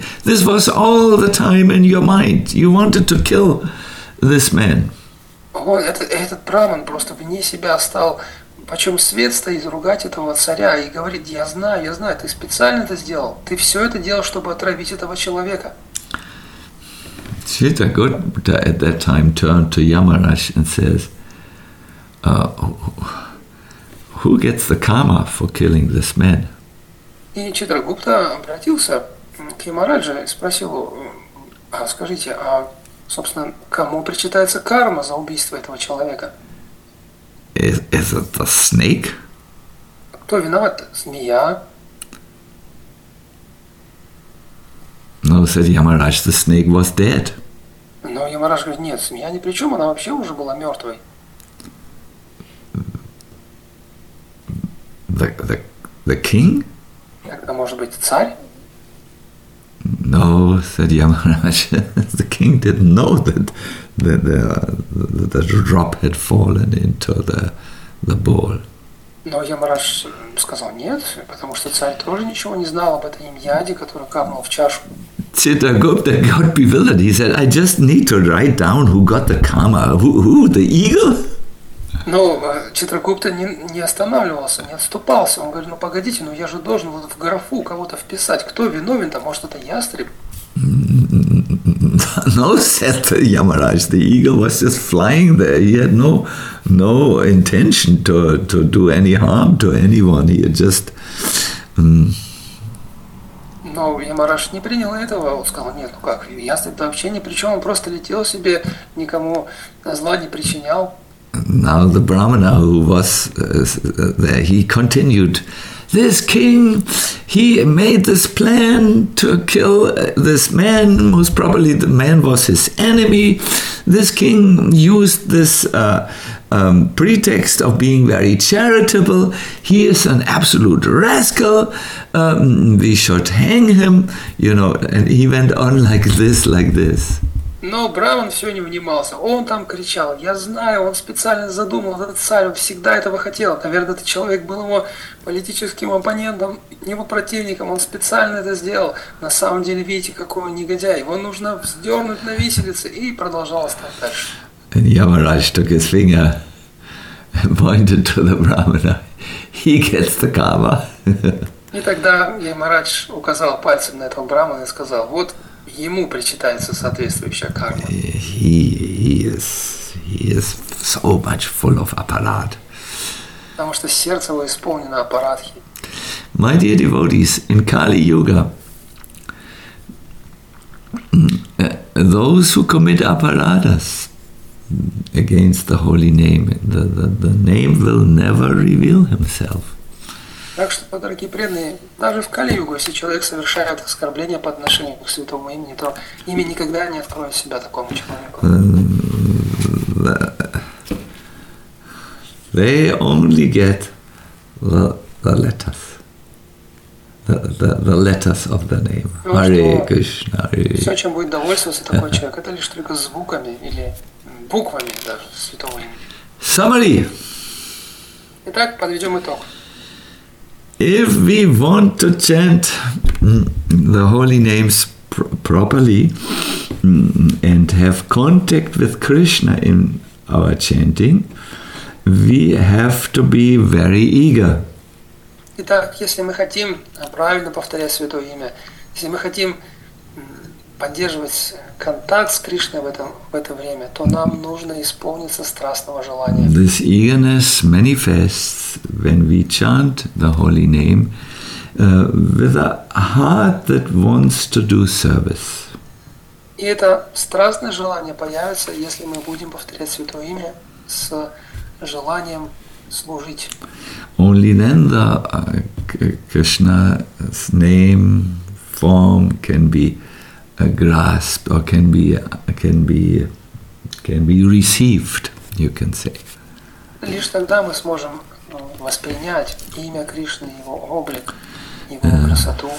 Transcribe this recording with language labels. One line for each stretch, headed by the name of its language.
English: This was all the time in your mind. You wanted to kill this man.
Russian: Этот браман просто вне себя стал, почем свет стоит, ругать этого царя и говорит: я знаю, ты специально это сделал. Ты все это делал, чтобы отравить этого человека.
English: Chitragupta at that time turned to Yamaraj and says, who gets the karma for killing this man?
Russian: И Читрагупта обратился к Ямараджу и спросил: скажите, а собственно, кому причитается карма за убийство этого человека?
English: Is it the snake?
Russian: Кто виноват? Змея?
English: No, said Yamaraj, the snake was dead.
Russian: Но Ямарадж говорит: нет, змея ни при чем, она вообще уже была мертвой.
English: The king?
Russian: А может быть, царь?
English: No, said Yamaraj. The king didn't know that the drop had fallen into the bowl.
Russian: Но Ямарадж сказал нет, потому что царь тоже ничего не знал об этом яде, который капнул в чашку.
English: Chitragupta got bewildered. He said, I just need to write down who got the karma. Who, the eagle?
Russian: Но Читрагупта не останавливался, не отступался. Он говорит: ну погодите, но я же должен вот в графу кого-то вписать. Кто виновен-то? Может, это ястреб?
English: No, said Yamaraj. The eagle was just flying there. He had no intention to do any harm to anyone. He had just...
Russian: Но Ямараш не принял этого, он сказал: нет, ну как, ястреб-то вообще ни при чем, он просто летел себе, никому зла не причинял.
English: Now the Brahmana who was there, he continued, this king, he made this plan to kill this man, most probably the man was his enemy. This king used this pretext of being very charitable. He is an absolute rascal. We should hang him, you know, and he went on like this.
Russian: Но Браман все не внимался. Он там кричал. Я знаю, он специально задумал этот царь. Он всегда этого хотел. Наверное, этот человек был его политическим оппонентом, его противником. Он специально это сделал. На самом деле, видите, какой он негодяй. Его нужно вздернуть на виселице. И продолжал стать дальше.
English: And Yamaraj took his finger and pointed to the Brahmana. He gets the karma.
Russian: И тогда Ямарадж указал пальцем на этого Брамана и сказал, вот ему причитается соответствующая карма.
English: He is so much full of aparat.
Russian: Потому что сердце его исполнено аппаратхи.
English: My dear devotees, in Kali Yuga, those who commit aparadas against the holy name, the name will never reveal himself.
Russian: Так что, дорогие преданные, даже в Кали-Югу, если человек совершает оскорбление по отношению к святому имени, то имя никогда не откроет себя такому человеку.
English: They only get the letters. The letters of the name. Hare Krishna.
Russian: Все, чем будет довольствоваться такой человек, это лишь только звуками или буквами даже святого имени.
English: Summary.
Russian: Итак, подведем итог.
English: If we want to chant the holy names properly and have contact with Krishna in our chanting, we have to be very eager.
Russian: Итак, если мы хотим правильно повторять святое имя, если мы хотим поддерживать контакт с Кришной в это время, то нам нужно исполниться страстного желания.
English: This eagerness manifests when we chant the holy name with a heart that wants to do service.
Russian: И это страстное желание появится, если мы будем повторять святое имя с желанием служить.
English: Only then the Krishna's name form can be a grasp or can be received, you can say.
Russian: Лишь тогда мы сможем воспринять имя Кришны, его облик, его красоту.